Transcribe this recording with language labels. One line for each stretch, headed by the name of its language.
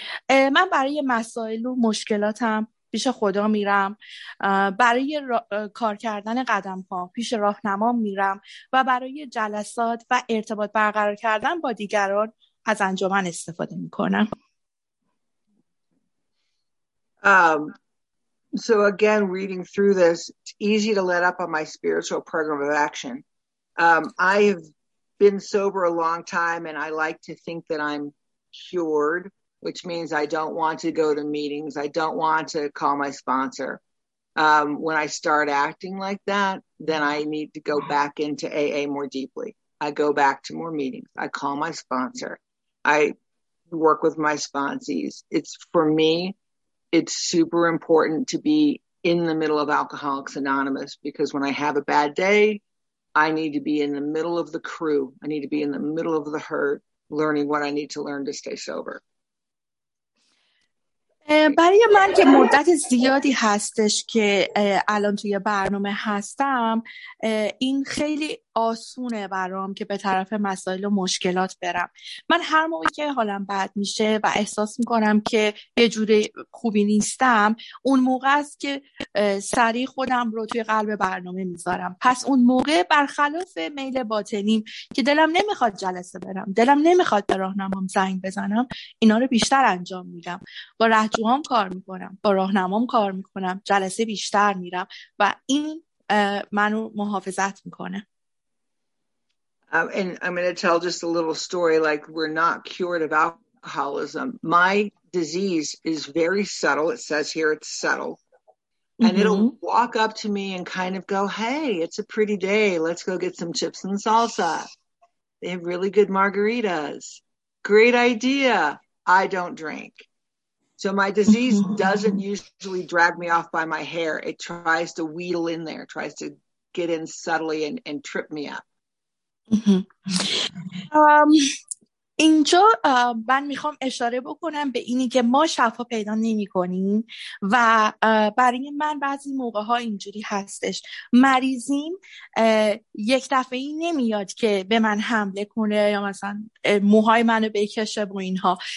Persian: من برای مسائل و مشکلاتم پیش خدا میرم، برای کار کردن قدم ها پیش راهنما میرم و برای جلسات و ارتباط برقرار کردن با دیگران از انجمن استفاده میکنم.
English: So again, reading through this, it's easy to let up on my spiritual program of action. I have been sober a long time and I like to think that I'm cured, which means I don't want to go to meetings. I don't want to call my sponsor. When I start acting like that, then I need to go back into AA more deeply. I go back to more meetings. I call my sponsor. I work with my sponsees. It's for me, it's super important to be in the middle of Alcoholics Anonymous, because when I have a bad day, I need to be in the middle of the crew. I need to be in the middle of the herd, learning what I need to learn to stay sober.
Persian: برای من که مدت زیادی هستش که الان توی برنامه هستم، این خیلی آسونه برام که به طرف مسائل و مشکلات برم. من هر موقعی که حالم بد میشه و احساس میکنم که یه جوری خوبی نیستم، اون موقع است که سریع خودم رو توی قلب برنامه میذارم. پس اون موقع برخلاف میل باطنیم که دلم نمیخواد جلسه برم، دلم نمیخواد به راهنمام زنگ بزنم، اینا رو بیشتر انجام میدم. با رهجوام کار میکنم، با راهنمام کار میکنم، جلسه بیشتر میرم و این منو محافظت میکنه.
English: And I'm going to tell just a little story. Like, we're not cured of alcoholism. My disease is very subtle. It says here it's subtle. Mm-hmm. And it'll walk up to me and kind of go, hey, it's a pretty day. Let's go get some chips and salsa. They have really good margaritas. Great idea. I don't drink. So my disease doesn't usually drag me off by my hair. It tries to wheedle in there, tries to get in subtly and trip me up.
Persian: اینجا من میخوام اشاره بکنم به اینی که ما شفا پیدا نمی کنیم و برای من بعضی موقع ها اینجوری هستش. مریضیم یک دفعه این نمیاد که به من حمله کنه یا مثلا موهای منو بکشه و اینها.